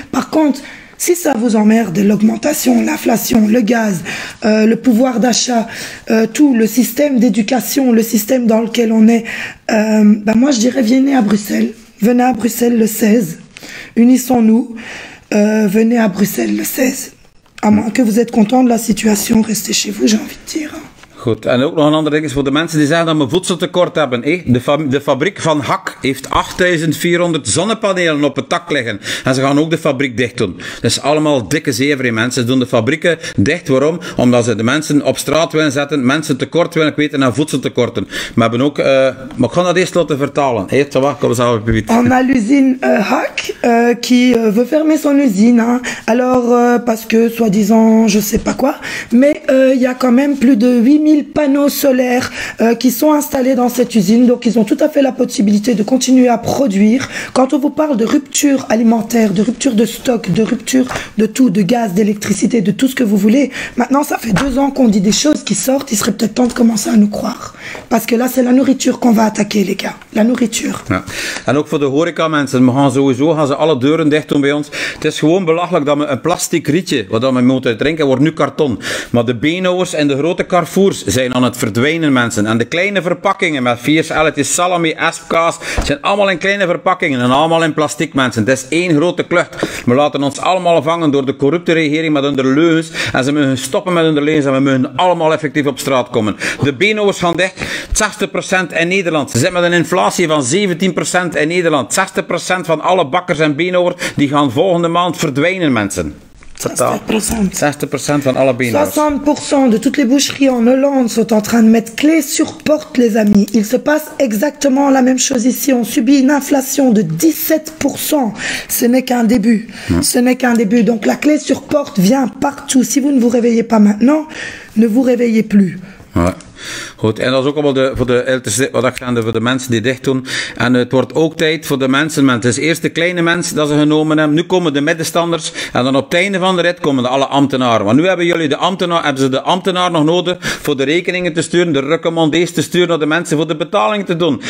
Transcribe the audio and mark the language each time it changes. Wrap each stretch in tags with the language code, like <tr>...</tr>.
<fr>Par contre, si ça vous emmerde, l'augmentation, l'inflation, le gaz, le pouvoir d'achat, tout le système d'éducation, le système dans lequel on est, ben moi je dirais venez à Bruxelles. Venez à Bruxelles le 16. Unissons-nous. Venez à Bruxelles le 16. À moins que vous êtes content de la situation, restez chez vous, j'ai envie de dire.</fr> <nl>Goed, en ook nog een ander ding is voor de mensen die zeggen dat we voedseltekort hebben. Hé, de fabriek van Hak heeft 8400 zonnepanelen op het dak liggen. En ze gaan ook de fabriek dicht doen. Dat is allemaal dikke zever, mensen. Ze doen de fabrieken dicht. Waarom? Omdat ze de mensen op straat willen zetten, mensen tekort willen kweten en voedseltekorten. We hebben ook... maar ik ga dat eerst laten vertalen.</nl> <fr>Hé, ça va,</fr> <nl>kom eens aan, Pibit.</nl> <fr>On a l'usine Hak, qui veut fermer son usine. Hein. Alors, parce que, soi-disant, je sais pas quoi. Mais il y a quand même plus de 8000 panneaux solaires qui sont installés dans cette usine, donc ils ont tout à fait la possibilité de continuer à produire. Quand on vous parle de rupture alimentaire, de rupture de stock, de rupture de tout, de gaz, d'électricité, de tout ce que vous voulez, maintenant ça fait 2 ans qu'on dit des choses qui sortent, il serait peut-être temps de commencer à nous croire. Parce que là c'est la nourriture qu'on va attaquer les gars, la nourriture.</fr> <nl>Ja. En ook voor de horeca mensen, we gaan sowieso gaan ze alle deuren dicht doen bij ons. Het is gewoon belachelijk dat we een plastic rietje wat we moeten drinken, wordt nu karton. Maar de beenhouwers en de grote Carrefour zijn aan het verdwijnen, mensen. En de kleine verpakkingen met 4 celletjes, salami, espkaas, zijn allemaal in kleine verpakkingen en allemaal in plastic, mensen. Het is één grote klucht. We laten ons allemaal vangen door de corrupte regering met hun leugens en ze mogen stoppen met hun leugens en we mogen allemaal effectief op straat komen. De beenhouwers gaan dicht. 60% in Nederland. Ze zitten met een inflatie van 17% in Nederland. 60% van alle bakkers en beenhouwers die gaan volgende maand verdwijnen, mensen. 60% van alle beenhouwers.</nl> <fr>60% de toutes les boucheries en Hollande sont en train de mettre clé sur porte, les amis. Il se passe exactement la même chose ici. On subit une inflation de 17%. Ce n'est qu'un début. Ce n'est qu'un début. Donc la clé sur porte vient partout. Si vous ne vous réveillez pas maintenant, ne vous réveillez plus. Ouais.</fr> <nl>Goed, en dat is ook allemaal voor de mensen die dicht doen. En het wordt ook tijd voor de mensen. Het is eerst de kleine mensen dat ze genomen hebben. Nu komen de middenstanders. En dan op het einde van de rit komen alle ambtenaren. Want nu hebben jullie de ambtenaar nog nodig voor de rekeningen te sturen, de recommandees te sturen naar de mensen voor de betaling te doen.</nl>